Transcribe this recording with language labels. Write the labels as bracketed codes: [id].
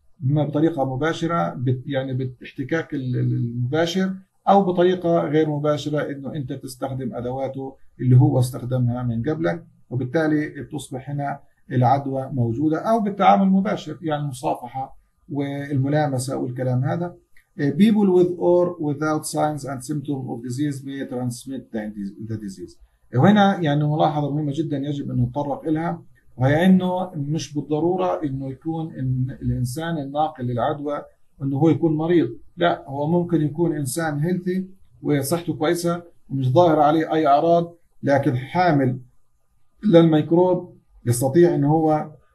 [ar] اما بطريقه مباشره يعني باحتكاك المباشر، او بطريقه غير مباشره انه انت تستخدم ادواته اللي هو استخدمها من قبلك، وبالتالي بتصبح هنا العدوى موجوده، او بالتعامل المباشر يعني المصافحه والملامسه والكلام هذا. [en] People with or without signs and symptoms of disease may transmit the disease. [ar] وهنا يعني ملاحظه مهمه جدا يجب ان نتطرق لها، وهي انه مش بالضروره انه يكون الانسان الناقل للعدوى انه هو يكون مريض، لا، هو ممكن يكون انسان هيلثي وصحته كويسه ومش ظاهر عليه اي اعراض، لكن حامل للميكروب يستطيع انه هو